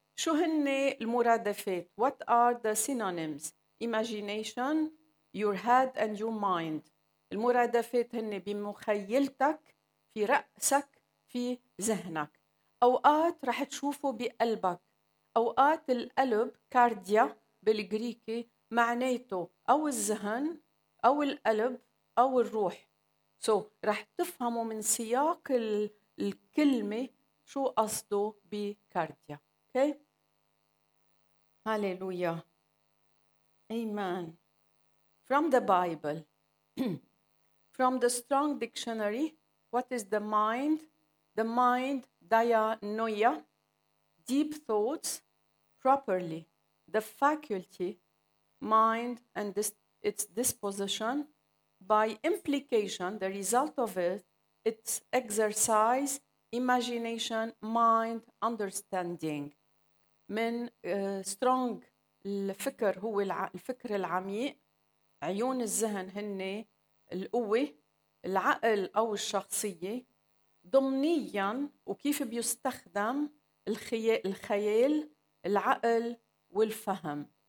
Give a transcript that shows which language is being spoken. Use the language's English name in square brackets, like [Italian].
[Arabic] شو هن المرادفات؟ [English] What are the synonyms? Imagination, your head and your mind. [Arabic] المرادفات هن بمخيلتك، في رأسك، في ذهنك. أوقات رح تشوفه بقلبك. أوقات القلب كارديا بالجريكي معناته أو الذهن أو القلب أو الروح. So رح تفهموا من سياق الكلمة شو قصده بكارديا. [English] Okay. Hallelujah. Amen. From the Bible. From the Strong Dictionary. What is the mind? The mind. Dianoia, deep thoughts, properly, the faculty, mind and its disposition, by implication, the result of it, its exercise, imagination, mind, understanding. [Arabic] من strong الفكر هو الفكر العميق. عيون الذهن هن القوة. العقل أو الشخصية. ضمنياً وكيف بيستخدم الخيال، العقل والفهم.